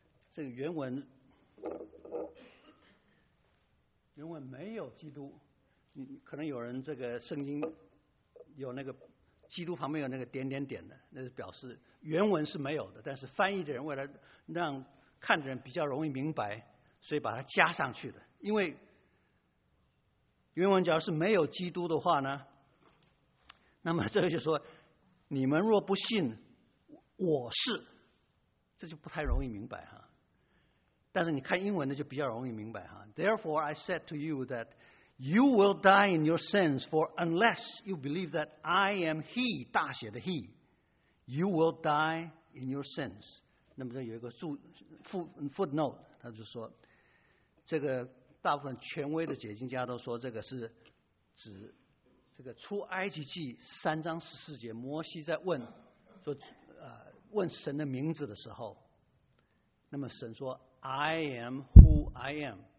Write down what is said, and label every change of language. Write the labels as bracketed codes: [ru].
[zh] 这个原文没有基督，可能有人这个圣经有那个基督旁边有那个点点点的，那是表示原文是没有的，但是翻译的人为了让看的人比较容易明白，所以把它加上去的。因为原文假如是没有基督的话呢，那么这个就说，你们若不信我是，这就不太容易明白哈。但是你看英文的就比较容易明白哈。 [en] Therefore I said to you that you will die in your sins, for unless you believe that I am He, [zh] 大写的 [en] He, you will die in your sins. [zh] 那么这有一个 footnote， 他就说，这个大部分权威的解经家都说，这个是指这个出埃及记三章十四节，摩西在问说，问神的名字的时候，那么神说 [en] I am who I am，